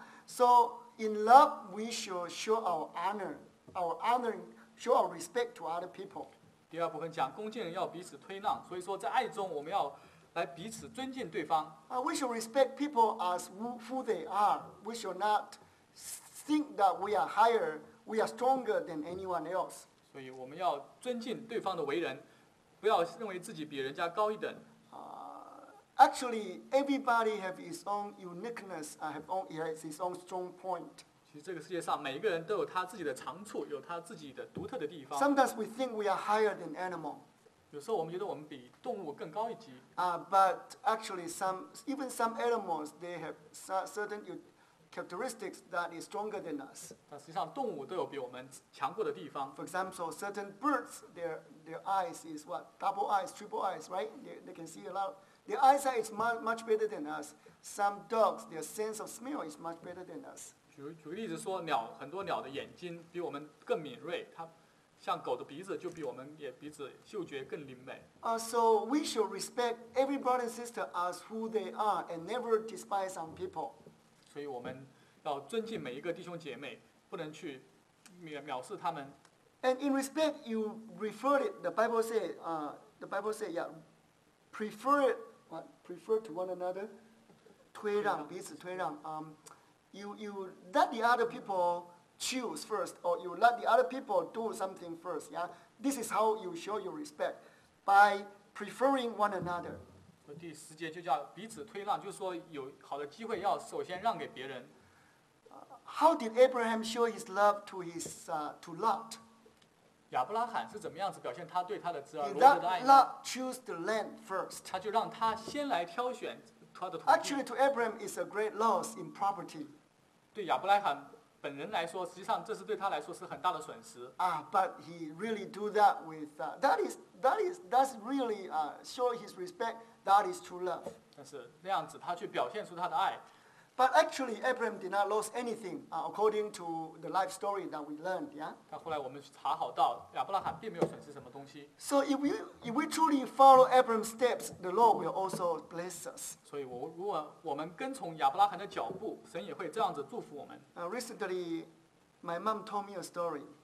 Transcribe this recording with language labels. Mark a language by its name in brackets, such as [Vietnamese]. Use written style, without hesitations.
[English] So in love, we should show our honor, our honoring, show our respect to other people. [Chinese] 第二部分讲恭敬人要彼此推让，所以说在爱中我们要来彼此尊敬对方。 [English] We should respect people as who they are. We should not. Think that we are higher, we are stronger than anyone else. [Chinese] 所以我们要尊敬对方的为人，不要认为自己比人家高一等。 [English] Actually, everybody have his own uniqueness. Has his own strong point. [Chinese] 其实这个世界上每一个人都有他自己的长处，有他自己的独特的地方。 [English] Sometimes we think we are higher than animal. [Chinese] 有时候我们觉得我们比动物更高一级。 [English] But actually, some animals they have certain characteristics that is stronger than us. [Chinese] 但实际上，动物都有比我们强过的地方。 [English] For example, certain birds, their eyes is what double eyes, triple eyes, right? They can see a lot. Their eyesight is much better than us. Some dogs, their sense of smell is much better than us. [Chinese] 举个例子说，鸟很多鸟的眼睛比我们更敏锐，它像狗的鼻子就比我们也鼻子嗅觉更灵敏。 [English] So we should respect every brother and sister as who they are and never despise some people. [Chinese] 所以我们要尊敬每一个弟兄姐妹，不能去藐视他们。 [English] And in respect, you refer it. Prefer to one another. [Chinese] 推让彼此推让。 [English] you let the other people choose first, or you let the other people do something first. Yeah, this is how you show your respect, by preferring one another. [Chinese] 第十节就叫彼此推让，就是说有好的机会要首先让给别人。 [English] How did Abraham show his love to his to Lot? [Chinese] 亚伯拉罕是怎么样子表现他对他的侄儿罗德的爱呢？ [English] He let Lot choose the land first. [Chinese] 他就让他先来挑选他的土地。 [English] Actually, to Abraham is a great loss in property. [Chinese] 对亚伯拉罕本人来说，实际上这是对他来说是很大的损失。 [English] But he really do that with that's really show his respect. That is true love. [Chinese] 但是那样子他却表现出他的爱。 [English] But actually, Abraham did not lose anything, according to the life story that we learned, yeah? [Chinese] 但后来我们查好到，亚伯拉罕并没有损失什么东西。 [English] So if we truly follow Abraham's steps, the Lord will also bless us. [Chinese] 所以我如果我们跟从亚伯拉罕的脚步，神也会这样子祝福我们。 [English] Recently, my mom told me a story.